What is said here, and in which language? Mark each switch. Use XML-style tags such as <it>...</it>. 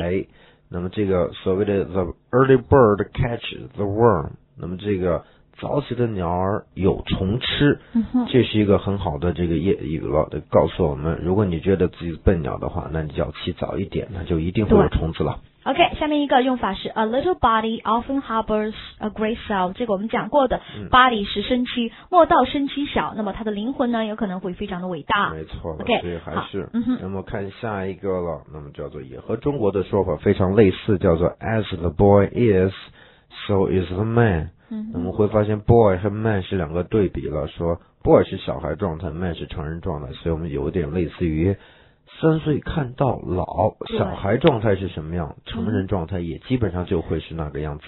<zh>哎、那么这个所谓的</zh> <en>The early bird catches the worm，</en> <zh>那么这个早起的鸟儿有虫吃，这是一个很好的这个谚语了，告诉我们如果你觉得自己笨鸟的话，那你要起早一点，那就一定会有虫子了。</zh> <en>OK，</en> <zh>下面一个用法是</zh> <en>A little body often harbors a great soul，</en> <zh>这个我们讲过的、嗯、 body 是身躯，莫道身躯小，那么它的灵魂呢有可能会非常的伟大，没错了。 OK，所以还是、嗯、那么看下一个了，那么叫做也和中国的说法非常类似，叫做</zh> <en>As the boy is so is the man。嗯、</en> <zh>那么会发现 boy 和 man 是两个对比了，说 boy 是小孩状态， man 是成人状态，所以我们有点类似于三岁看到老，小孩状态是什么样，成人状态也基本上就会是那个样子。</zh>